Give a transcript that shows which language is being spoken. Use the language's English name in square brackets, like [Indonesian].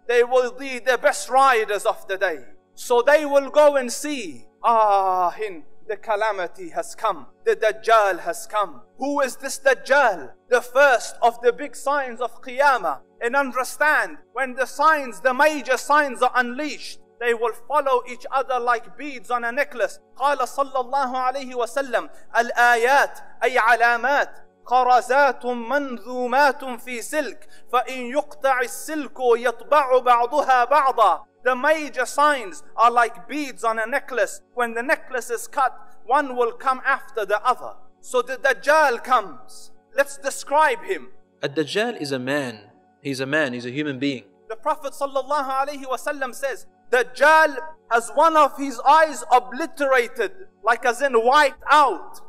[English] They will be the best riders of the day. So they will go and see, the calamity has come. The Dajjal has come. Who is this Dajjal? The first of the big signs of Qiyamah. And understand, when the signs, the major signs are unleashed, they will follow each other like beads on a necklace. [Arabic] قال صلى الله عليه وسلم الآيات أي علامات قرزات منظومات في سلك فإن يقطع السلك يطبع بعضها بعضا. [English] The major signs are like beads on a necklace. When the necklace is cut, one will come after the other. So the Dajjal comes. Let's describe him. A Dajjal is a man. He's a man. He's a human being. The Prophet sallallahu alaihi wasallam says, Dajjal has one of his eyes obliterated, like as in wiped out.